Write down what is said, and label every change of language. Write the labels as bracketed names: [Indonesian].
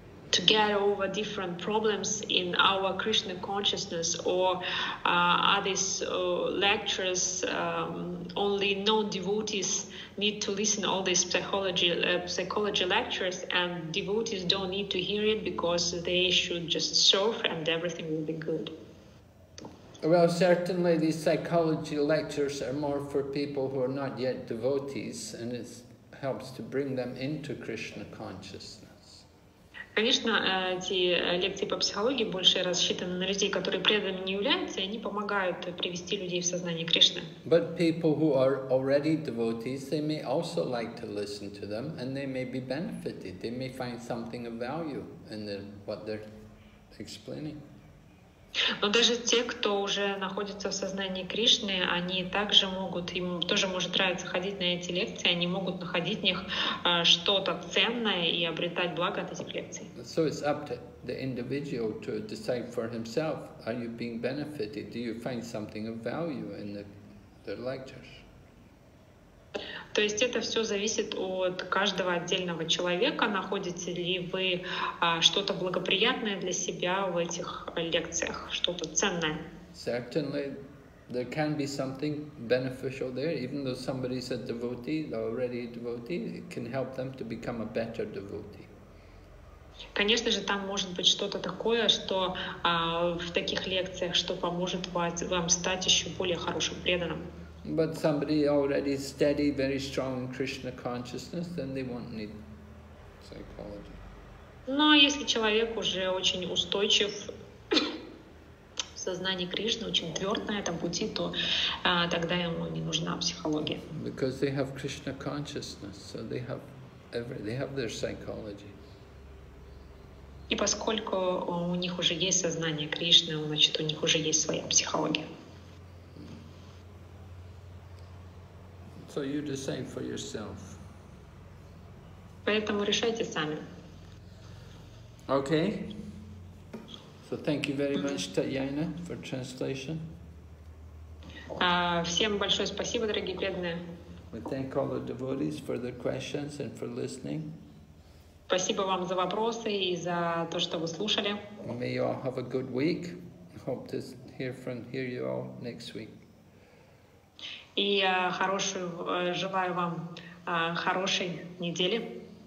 [English] to get over different problems in our Krishna consciousness, or are these lectures only non-devotees need to listen all these psychology lectures, and devotees don't need to hear it because they should just serve and everything will be good? Well, certainly these psychology lectures are more for people who are not yet devotees, and it helps to bring them into Krishna consciousness. [Russian] Конечно, эти лекции по психологии больше рассчитаны на людей, которые преданными не являются, и они помогают привести людей в сознание Кришны. [English] But people who are already devotees, they may also like to listen to them, and they may be benefited. They may find something of value in what they're explaining. [Russian] Но даже те, кто уже находится в сознании Кришны, они также могут, им тоже может нравиться ходить на эти лекции, они могут находить в них что-то ценное и обретать благо от этих лекций. [English] So it's up to the individual to decide for himself, are you being benefited, do you find something of value in the lectures? [Russian] То есть это все зависит от каждого отдельного человека, находите ли вы что-то благоприятное для себя в этих лекциях, что-то ценное. [English] Certainly, there can be something beneficial there, even though somebody is a devotee, already a devotee, it can help them to become a better devotee. [Russian] Конечно же, там может быть что-то такое, что в таких лекциях, что поможет вам стать еще более хорошим преданным. [English] But somebody already steady, very strong in Krishna consciousness, then they won't need psychology. [Russian] Но если человек уже очень устойчив в сознании Кришны, очень тверд на этом пути, то тогда ему не нужна психология. [English] Because they have Krishna consciousness, so they have their psychology. [Russian] И поскольку у них уже есть сознание Кришны, значит у них уже есть своя психология. [English] So you decide for yourself. [Russian] Поэтому решайте сами. [English] Okay. So thank you very much, Tatyana, for translation. [Russian] Всем большое спасибо, дорогие преданные. [English] We thank all the devotees for their questions and for listening. [Russian] Спасибо вам за вопросы и за то, что вы слушали. [English] May you all have a good week. Hope to hear you all next week. [Russian] И желаю вам хорошей недели.